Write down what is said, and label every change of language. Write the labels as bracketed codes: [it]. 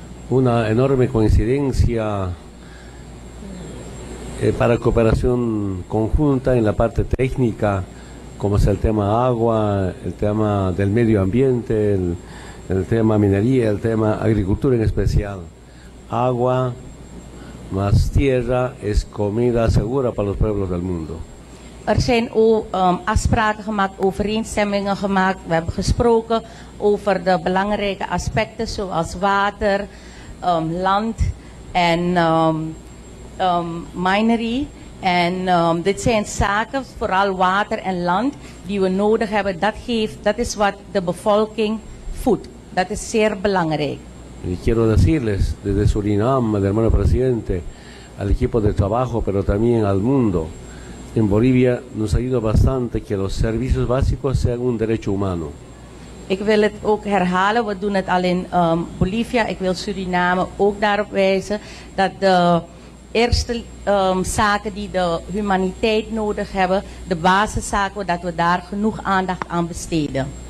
[es] Una enorme coincidencia para cooperación conjunta en la parte técnica, como es el tema agua, el tema del medio ambiente, el tema minería, el tema agricultura en especial. Agua más tierra es comida segura para los pueblos del mundo. [nl] Er zijn afspraken gemaakt, overeenstemmingen gemaakt. We hebben gesproken over de belangrijke aspecten zoals water, land en minery. En dit zijn zaken, vooral water en land, die we nodig hebben. Dat is wat de bevolking voedt. Dat is zeer belangrijk. [es] Ik quiero decirles desde Suriname, de hermano presidente, al equipo de trabajo, pero también al mundo. En Bolivia nos ayuda bastante que los servicios básicos sean un derecho humano. [nl] Ik wil het ook herhalen, we doen het al in Bolivia. Ik wil Suriname ook daarop wijzen dat de eerste zaken die de humaniteit nodig hebben, de basiszaken, dat we daar genoeg aandacht aan besteden.